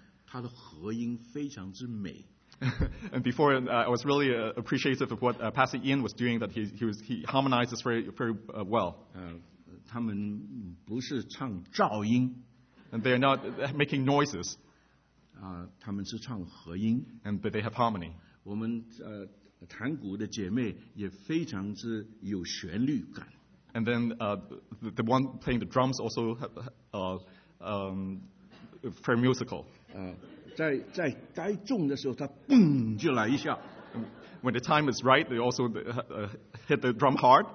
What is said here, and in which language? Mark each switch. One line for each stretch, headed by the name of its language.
Chinese: 刚才我很欣赏马牧师在台上，他的和音非常之美。
English: And before, I was really appreciative of what Pastor Ian was doing, that he harmonizes very, very well.
Chinese: 他们不是唱噪音,
English: and they are not making noises.
Chinese: 他们是唱和音,
English: and but they have harmony.
Chinese: 我们, 弹鼓的姐妹也非常之有旋律感,
English: and then the one playing the drums also very musical.
Chinese: 在该重的时候, 他蹦就来一下。
English: When the time is right, they also hit the drum hard.